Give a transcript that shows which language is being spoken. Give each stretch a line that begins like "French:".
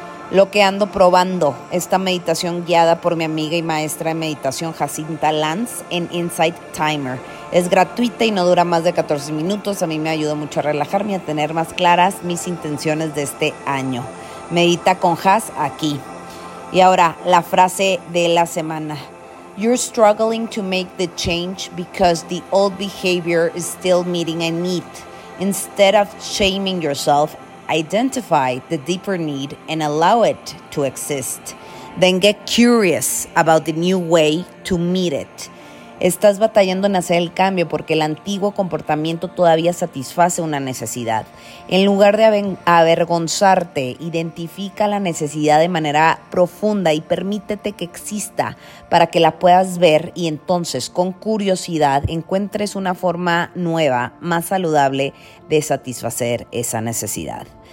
Spanish: Lo que ando probando, esta meditación guiada por mi amiga y maestra de meditación Jacinta Lanz en Insight Timer. Es gratuita y no dura más de 14 minutos. A mí me ayuda mucho a relajarme y a tener más claras mis intenciones de este año. Medita con Jas aquí. Y ahora, la frase de la semana.
English: You're struggling to make the change because the old behavior is still meeting a need. Instead of shaming yourself, identify the deeper need and allow it to exist. Then get curious about the new way to meet it.
Spanish: Estás batallando en hacer el cambio porque el antiguo comportamiento todavía satisface una necesidad. En lugar de avergonzarte, identifica la necesidad de manera profunda y permítete que exista para que la puedas ver y entonces, con curiosidad, encuentres una forma nueva, más saludable de satisfacer esa necesidad.